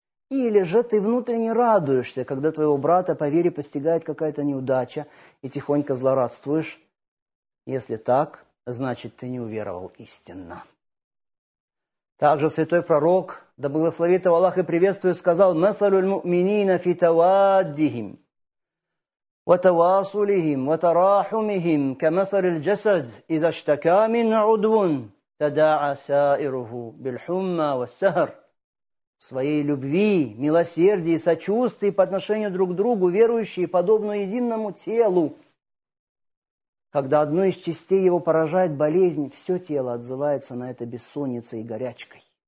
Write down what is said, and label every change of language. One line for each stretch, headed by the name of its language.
Russian: Или же ты внутренне радуешься, когда твоего брата по вере постигает какая-то неудача, и тихонько злорадствуешь? Если так, значит, ты не уверовал истинно. Также святой пророк, да благословит его Аллах и приветствует, сказал:
Arabic: «Масалю аль-му'минина фи тавадихим». وتواصلهم وتراحمهم كمثل الجسد إذا اشتكى منه عضو تداعى سائره بالحمى والسهر.
Russian: В своей любви, милосердии, сочувствии по отношению друг к другу верующие подобно единому телу. Когда одну из частей его поражает болезнь, все тело отзывается на это бессонницей и горячкой.